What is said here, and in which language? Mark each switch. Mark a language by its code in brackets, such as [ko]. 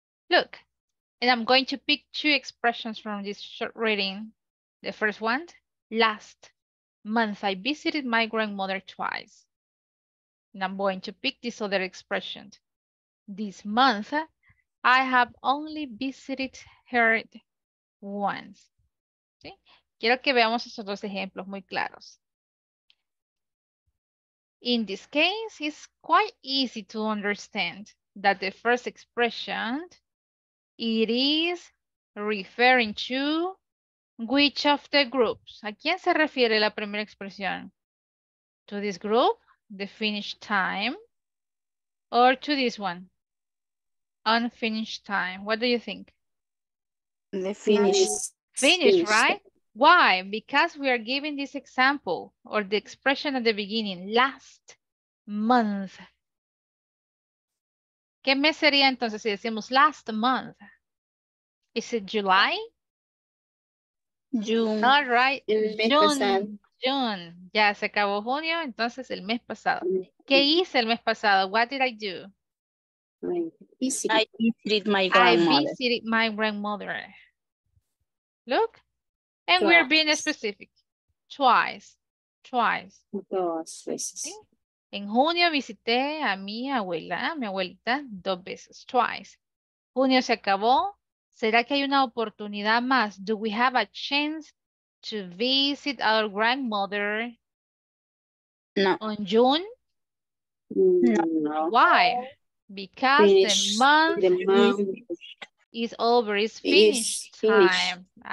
[en] Look, and I'm going to pick two expressions from this short reading. The first one, last month I visited my grandmother twice. And I'm going to pick this other expression. This month I have only visited her once. [es] ¿Sí? Quiero que veamos esos dos ejemplos muy claros. [en] In this case, it's quite easy to understand that the first expression, it is referring to which of the groups. [es] ¿A quién se refiere la primera expresión? [en] To this group, the finished time, or to this one, unfinished time. What do you think? The finished. Finish, right? Why? Because we are giving this example or the expression at the beginning, last month. [es] ¿Qué mes sería entonces si decimos [en] last month? Is it July? June. All right. June. June. [es] Ya se acabó junio, entonces el mes pasado. ¿Qué hice el mes pasado? [en] What did I do? I visited my grandmother. Look. And we're being specific. Twice. [es] Dos veces. ¿Sí? En junio visité a mi abuelita, dos veces. Twice. Junio se acabó. ¿Será que hay una oportunidad más? [en] Do we have a chance to visit our grandmother? No. On June? No. Why? Because the month is over, it's finished time.